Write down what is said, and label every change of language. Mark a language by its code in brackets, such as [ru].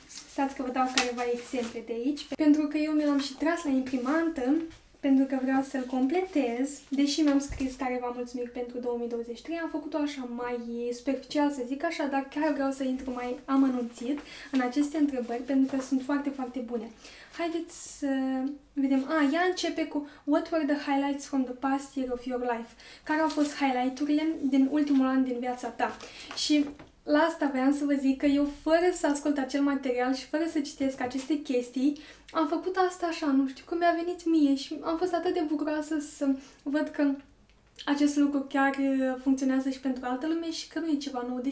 [ro] Stați că vă dau careva exemple de aici, pentru că eu mi l-am și tras la imprimantă, pentru că vreau să-l completez, deși mi-am scris careva mulțumiri pentru 2023, am făcut-o așa mai superficial, să zic așa, dar chiar vreau să intru mai amănunțit în aceste întrebări, pentru că sunt foarte, foarte bune. Haideți să vedem. Ea începe cu [en] What were the highlights from the past year of your life? [ro] Care au fost highlight-urile din ultimul an din viața ta? Și la asta vreau să vă zic că eu, fără să ascult acel material și fără să citesc aceste chestii, am făcut asta așa, nu știu, cum mi-a venit mie și am fost atât de bucuroasă să văd că acest lucru chiar funcționează și pentru altă lume și că nu e ceva nou.